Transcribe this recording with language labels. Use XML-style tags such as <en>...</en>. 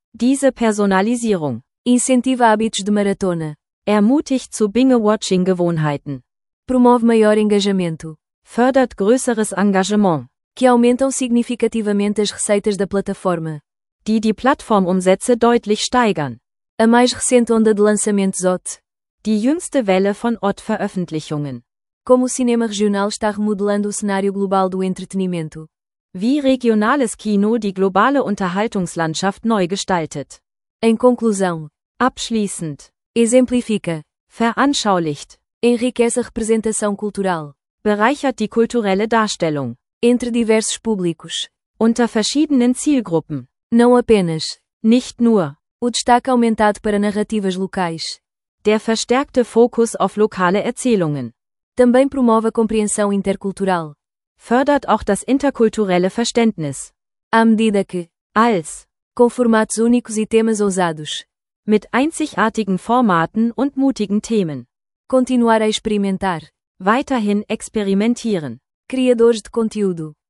<de>Diese Personalisierung.</de> <pt>Incentiva hábitos de maratona.</pt> <de>Ermutigt zu Binge-Watching-Gewohnheiten.</de> <pt>Promove maior engajamento.</pt> <de>Fördert größeres Engagement.</de> <pt>Que aumentam significativamente as receitas da plataforma.</pt> <de>Die die Plattformumsätze deutlich steigern.</de> <pt>A mais recente onda de lançamentos OTT.</pt> <de>Die jüngste Welle von OTT-Veröffentlichungen.</de> <pt>Como o cinema regional está remodelando o cenário global do entretenimento.</pt> <de>Wie regionales Kino die globale Unterhaltungslandschaft neu gestaltet.</de> <pt>Em conclusão.</pt> <de>Abschließend.</de> <pt>Exemplifica.</pt> <de>Veranschaulicht.</de> <pt>Enriquece a representação cultural.</pt> <de>Bereichert die kulturelle Darstellung.</de> <pt>Entre diversos públicos.</pt> <de>Unter verschiedenen Zielgruppen.</de> <pt>Não apenas.</pt> <de>Nicht nur.</de> <pt>O destaque aumentado para narrativas locais.</pt> <de>Der verstärkte Fokus auf lokale Erzählungen.</de> <pt>Também promove a compreensão intercultural.</pt> <de>Fördert auch das interkulturelle Verständnis.</de> <pt>À medida que.</pt> <de>Als.</de> <pt>Com formatos únicos e temas ousados.</pt> <de>Mit einzigartigen Formaten und mutigen Themen.</de> <pt>Continuar a experimentar.</pt> <de>Weiterhin experimentieren.</de> <pt>Criadores de conteúdo.</pt>